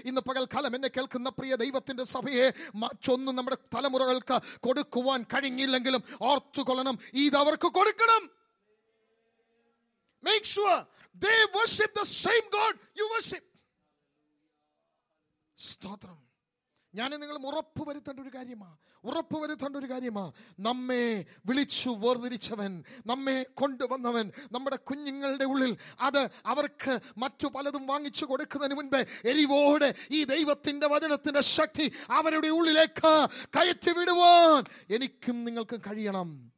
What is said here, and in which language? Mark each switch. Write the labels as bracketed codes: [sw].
[ml] ഇന്ന് പകൽ കാലം എന്നെ കേൾക്കുന്ന പ്രിയ ദൈവത്തിന്റെ സഭയെ, മറ്റൊന്നും നമ്മുടെ തലമുറകൾക്ക് കൊടുക്കുവാൻ കഴിഞ്ഞില്ലെങ്കിലും ഓർത്തുകൊള്ളണം, ഇത് അവർക്ക് കൊടുക്കണം. [en] Make sure they worship the same God you worship. [ml] സ്തോത്രം. ഞാൻ നിങ്ങൾ ഉറപ്പ് വരുത്തേണ്ട ഒരു കാര്യമാ, ഉറപ്പ് വരുത്തേണ്ട ഒരു കാര്യമാ, നമ്മെ വിളിച്ചു വേർതിരിച്ചവൻ, നമ്മെ കൊണ്ടുവന്നവൻ നമ്മുടെ കുഞ്ഞുങ്ങളുടെ ഉള്ളിൽ, അത് അവർക്ക് മറ്റു പലതും വാങ്ങിച്ചു കൊടുക്കുന്നതിന് മുൻപേ എരിവോടെ ഈ ദൈവത്തിന്റെ വചനത്തിന്റെ ശക്തി അവരുടെ ഉള്ളിലേക്ക് കയറ്റി വിടുവാൻ എനിക്കും നിങ്ങൾക്കും കഴിയണം.